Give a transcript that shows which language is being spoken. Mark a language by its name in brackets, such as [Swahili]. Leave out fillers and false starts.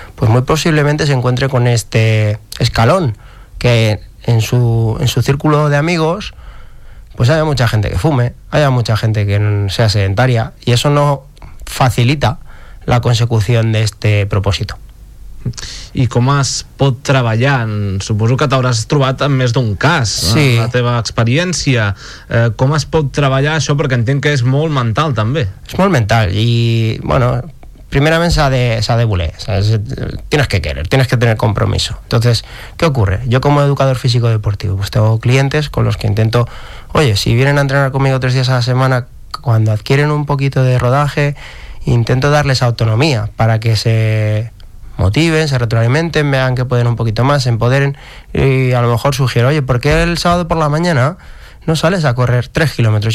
[Spanish] Pues muy posiblemente se encuentre con este escalón, que en su círculo de amigos pues haya mucha gente que fume, haya mucha gente que sea sedentaria, y eso no facilita la consecución de este propósito. [Catalan] I com es pot treballar? Suposo que t'hauràs trobat en més d'un cas, sí, la teva experiència. Com es pot treballar això? Perquè entenc que és molt mental, també. És molt mental, i, bueno, primerament s'ha de voler. [Spanish] ¿Sabes? Tienes que querer, tienes que tener compromiso. Entonces, ¿qué ocurre? Yo como educador físico deportivo, pues tengo clientes con los que intento, oye, si vienen a entrenar conmigo 3 días a la semana, cuando adquieren un poquito de rodaje, intento darles autonomía para que se motiven, se retroalimenten, vean que pueden un poquito más, se empoderen, y a lo mejor sugiero, oye, ¿por qué el sábado por la mañana no sales a correr 3 kilómetros?